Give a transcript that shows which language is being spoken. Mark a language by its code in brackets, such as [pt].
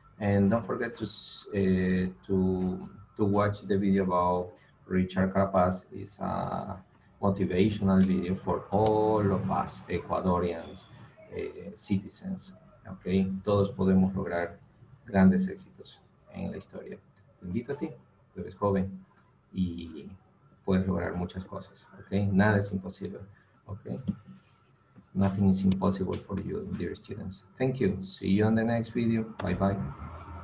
[en] And don't forget to watch the video about Richard Carapaz is a motivational video for all of us Ecuadorians, citizens. [es] Okay, todos podemos lograr grandes éxitos en la historia. Te invito a ti, tú eres joven y puedes lograr muchas cosas. Okay, nada es imposible. [en] Okay, nothing is impossible for you, dear students. Thank you. See you on the next video. Bye bye.